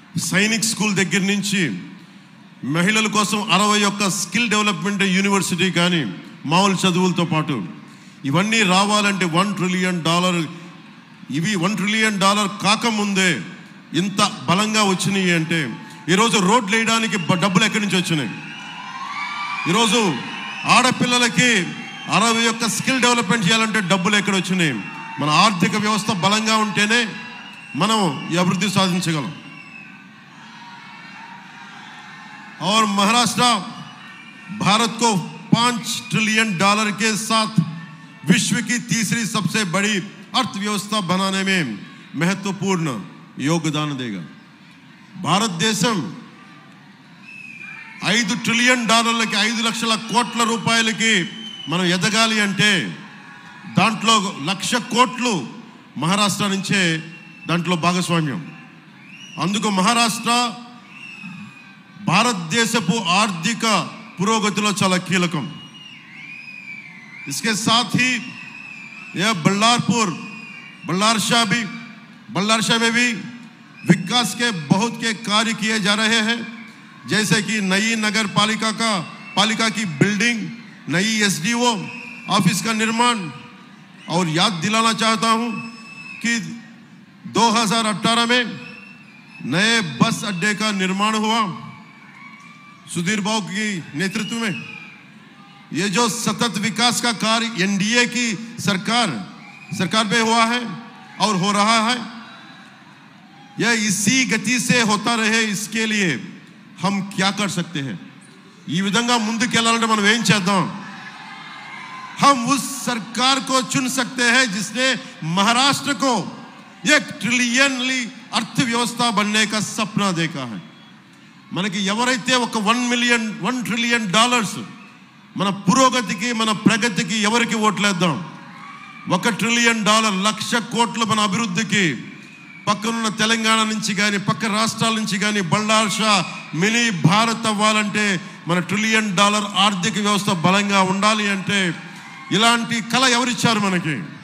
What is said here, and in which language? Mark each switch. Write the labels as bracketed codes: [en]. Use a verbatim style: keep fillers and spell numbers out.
[te] Sainik school దగ్గర నుంచి మహిళల కోసం అరవై ఒక్క స్కిల్ డెవలప్మెంట్ యూనివర్సిటీ కానీ మామూలు చదువులతో పాటు ఇవన్నీ రావాలంటే వన్ ట్రిలియన్ డాలర్ ఇవి వన్ ట్రిలియన్ డాలర్ కాకముందే ఇంత బలంగా వచ్చినాయి అంటే ఈరోజు రోడ్లు వేయడానికి డబ్బులు ఎక్కడి నుంచి వచ్చినాయి? ఈరోజు ఆడపిల్లలకి అరవై ఒక్క స్కిల్ డెవలప్మెంట్ చేయాలంటే డబ్బులు ఎక్కడ వచ్చినాయి? మన ఆర్థిక వ్యవస్థ బలంగా ఉంటేనే మనం ఈ అభివృద్ధి సాధించగలం. [hi] और महाराष्ट्र भारत को पाँच ट्रिलियन डॉलर के साथ विश्व की तीसरी सबसे बड़ी अर्थव्यवस्था बनाने में महत्वपूर्ण योगदान देगा. [te] భారత దేశం ఐదు ట్రిలియన్ డాలర్లకి ఐదు లక్షల కోట్ల రూపాయలకి మనం ఎదగాలి అంటే దాంట్లో లక్ష కోట్లు మహారాష్ట్ర నుంచే దాంట్లో భాగస్వామ్యం. అందుకు మహారాష్ట్ర భారతదేశపు ఆర్థిక పురోగతిలో చాలా కీలకం. [hi] इसके साथ ही यह बल्लारपुर बल्लारशाह भी बल्लारशाह में भी विकास के बहुत के कार्य किए जा रहे हैं, जैसे कि नई नगर पालिका का पालिका की बिल्डिंग, नई एसडीओ ऑफिस का निर्माण. और याद दिलाना चाहता हूं कि दो हज़ार अट्ठारह में नए बस अड्डे का निर्माण हुआ सुधीर बाबू के नेतृत्व में. ये जो सतत विकास का कार्य एनडीए की सरकार सरकार पे हुआ है और हो रहा है, यह इसी गति से होता रहे, इसके लिए हम क्या कर सकते हैं? [te] ఈ విధంగా ముందుకెళ్ళాలంటే మనం ఏం చేద్దాం? [hi] हम उस सरकार को चुन सकते हैं जिसने महाराष्ट्र को एक ट्रिलियनली अर्थव्यवस्था बनने का सपना देखा है. [te] మనకి ఎవరైతే ఒక one million one trillion dollars మన పురోగతికి మన ప్రగతికి ఎవరికి ఓట్లేద్దాం? ఒక ట్రిలియన్ డాలర్ లక్ష కోట్లు మన అభివృద్ధికి పక్కనున్న తెలంగాణ నుంచి కానీ పక్క రాష్ట్రాల నుంచి కానీ బల్లార్ షా మినీ భారత్ అవ్వాలంటే మన ట్రిలియన్ డాలర్ ఆర్థిక వ్యవస్థ బలంగా ఉండాలి అంటే ఇలాంటి కళ ఎవరిచ్చారు మనకి?